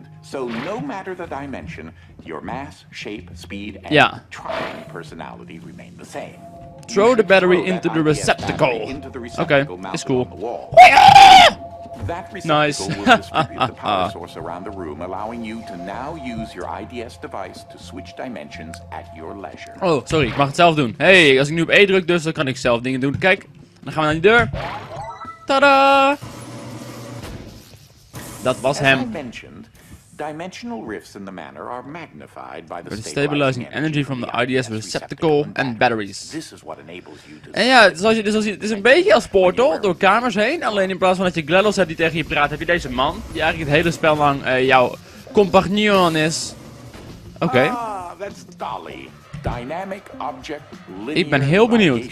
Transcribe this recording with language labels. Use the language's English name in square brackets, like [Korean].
[English] So no matter the dimension, your mass, shape, speed and trying personality remain the same. Throw the battery into the receptacle. Okay, it's cool. That receptacle nice. Will distribute the power source around the room, allowing you to now use your IDS device to switch dimensions at your leisure. [Dutch] Oh, sorry, ik mag het zelf doen. Hey, als ik nu op E druk, dus dan kan ik zelf dingen doen. Kijk, dan gaan we naar die deur. Tada! Dat was hem. [English] Dimensional rifts in the manor are magnified by the stabilizing energy from the IDS receptacle and batteries. This is what enables you to. [Dutch] En ja, zoals je dus ziet, het is een beetje als Portal door kamers heen. Alleen in plaats van dat je GLaDOS hebt die tegen je praat, heb je deze man die eigenlijk het hele spel lang jouw compagnon is. Oké. [English] Ah, that's Dolly. Dynamic object. [Dutch] Ik ben heel benieuwd.